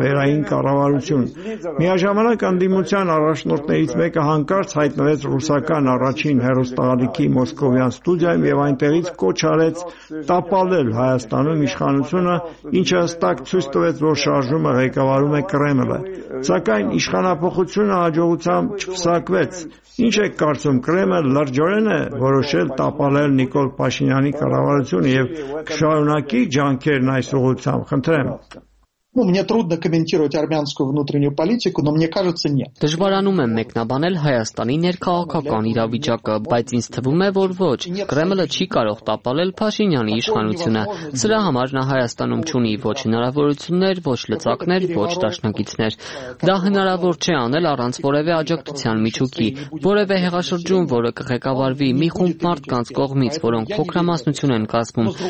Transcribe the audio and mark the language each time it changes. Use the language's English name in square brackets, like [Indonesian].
[Armenian] այն կառավարություն։ Միաժամանակ անդիմության առաջնորդներից մեկը հանկարծ հայտնվեց ռուսական առաջին հեռուստաղալիքի մոսկովյան ստուդիայում և այնտեղից կոչ արեց տապալել Հայաստանում իշխանությունը, ինչը հստակ ցույց տվեց, որ շարժումը ղեկավարում է Կրեմլը, սակայն իշխանափոխությունը հաջողությամբ չփսակվեց։ Ինչ եք կարծում, Կրեմլը լրջորեն է որոշել տապալել Նիկոլ Փաշինյանի կառավարությունը և կշարունակի ջանքերն այս ուղղությամբ, խնդրեմ։ [Russian] Мне трудно комментировать армянскую внутреннюю политику, но мне кажется, нет. [Armenian] Դժվարանում եմ մեկնաբանել Հայաստանի ներքաղաքական իրավիճակը, բայց ինձ թվում է, որ ոչ, Կրեմլը չի կարող տապալել Փաշինյանի իշխանությունը։ Սրա համար նա Հայաստանում չունի ոչ հնարավորություններ, ոչ լծակներ, ոչ դաշնակիցներ։ Դա հնարավոր չէ անել առանց որևէ աջակցության միջուկի, որևէ հեղաշրջում, որը կղեկավարվի մի խումբ մարդկանց կողմից, որոնք փոքրամասնություն են կազմում